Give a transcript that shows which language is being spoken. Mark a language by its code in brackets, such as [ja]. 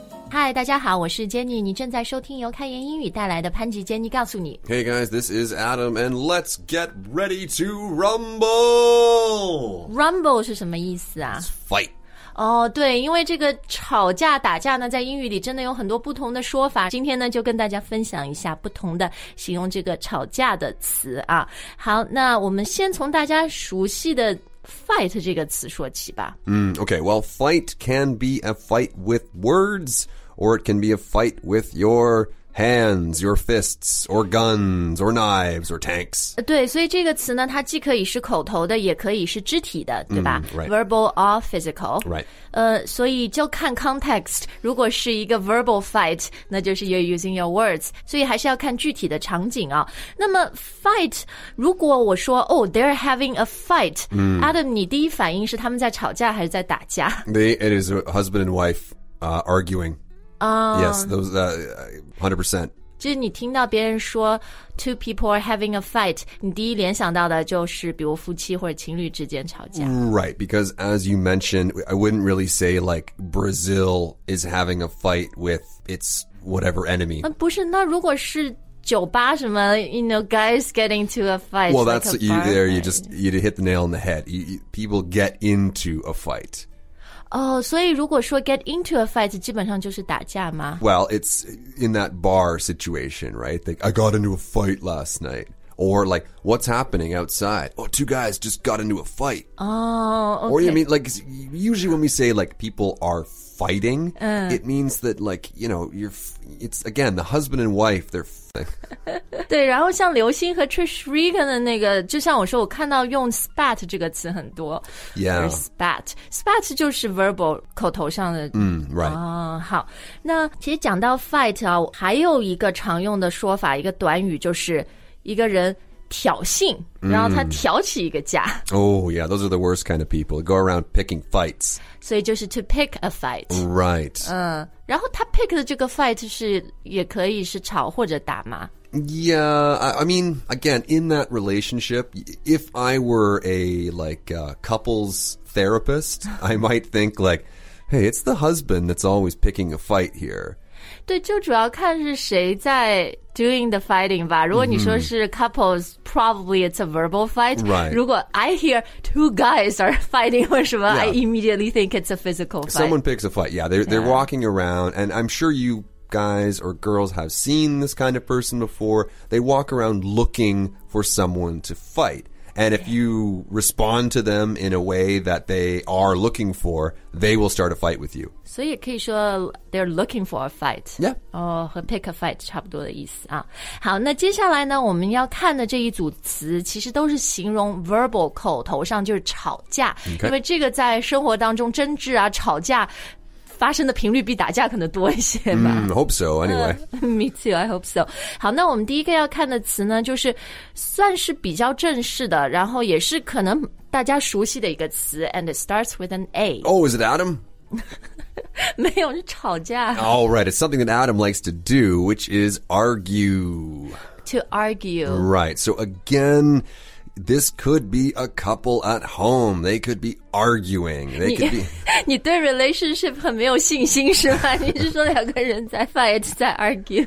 [zh] 嗨，大家好，我是 Jenny， 你正在收听由开言英语带来的潘吉 Jenny 告诉你。 [en] Hey guys, this is Adam, and let's get ready to rumble! [zh] Rumble 是什么意思啊？ [en] It's fight. [zh] 哦、oh, 对，因为这个吵架打架呢在英语里真的有很多不同的说法，今天呢就跟大家分享一下不同的形容这个吵架的词啊。好，那我们先从大家熟悉的 fight 这个词说起吧。 [en] Okay, well, fight can be a fight with words, or it can be a fight with your hands, your fists, or guns, or knives, or tanks. [zh] 对，所以这个词呢，它既可以是口头的，也可以是肢体的，对吧？ [en] Right. Verbal or physical. Right. [zh] 所以就看 context, 如果是一个 verbal fight, 那就是 [en] you're using your words. [zh] 所以还是要看具体的场景啊。那么 [en] fight, [zh] 如果我说 [en] oh, they're having a fight,、 mm. [zh] Adam, 你第一反应是他们在吵架还是在打架？ [en] It is a husband and wife, arguing. Yes, those, 100%. [zh] 就是你听到别人说 two people are having a fight, 你第一联想到的就是比如夫妻或者情侣之间吵架。 [en] Right, because as you mentioned, I wouldn't really say like Brazil is having a fight with its whatever enemy. [zh] 不是，那如果是酒吧什么 [en] you know, guys get into a fight. Well, that's, like, you hit the nail on the head. People get into a fight. [zh] Oh, 所以如果说 [en] get into a fight, [zh] 基本上就是打架吗? [en] Well, it's in that bar situation, right? Like, I got into a fight last night. Or, like, what's happening outside? Oh, two guys just got into a fight. Oh, okay. Or, you mean, like, usually when we say, like, people are fighting,、it means that, like, you know, it's, again, the husband and wife, they're fighting. [zh] 对，然后像刘星和 Trish Regan 的那个，就像我说，我看到用 spat 这个词很多。 [en] Yeah. [zh] Spat 就是 verbal, 口头上的。 [en] Right. [zh] 好，那其实讲到 fight 啊，还有一个常用的说法，一个短语就是一个人挑衅，然后他挑起一个架。 [en] Oh, yeah, those are the worst kind of people. Go around picking fights. [zh] 所以就是 [en] to pick a fight. Right. [zh] 然后他 pick 的这个 fight 是也可以是吵或者打吗？ [en] Yeah, I mean, again, in that relationship, if I were a, like, a couples therapist, I might think, like, hey, it's the husband that's always picking a fight here. [zh] 对，就主要看是谁在 [en] doing the fighting [zh] 吧。如果你说是 couples,、mm-hmm. [en] probably it's a verbal fight.、 Right. [zh] 如果 [en] I hear two guys are fighting [zh] 或什么、 [en] yeah. I immediately think it's a physical fight. Someone picks a fight, yeah. They're walking around, and I'm sure you guys or girls have seen this kind of person before. They walk around looking for someone to fight. And if you respond to them in a way that they are looking for, they will start a fight with you. [zh] 所以也可以说 [en] they're looking for a fight. Yeah. [zh] 哦、oh, ，和 [en] pick a fight [zh] 差不多的意思啊。好，那接下来呢，我们要看的这一组词其实都是形容 verbal 口头上就是吵架， [en] okay. [zh] 因为这个在生活当中争执啊、吵架发生的频率比打架可能多一些吧。 [en] Hope so. Anyway. Me too. I hope so. [zh] 好，那我们第一个要看的词呢，就是算是比较正式的，然后也是可能大家熟悉的一个词 ， [en] and it starts with an A. Oh, is it Adam? [zh] 没有，是吵架。 [en] All right, it's something that Adam likes to do, which is argue. To argue. Right, so again, this could be a couple at home. They could be arguing. They could be... [zh] 你对 relationship 很没有信心是吧？你是说两个人在 fight, 在 argue?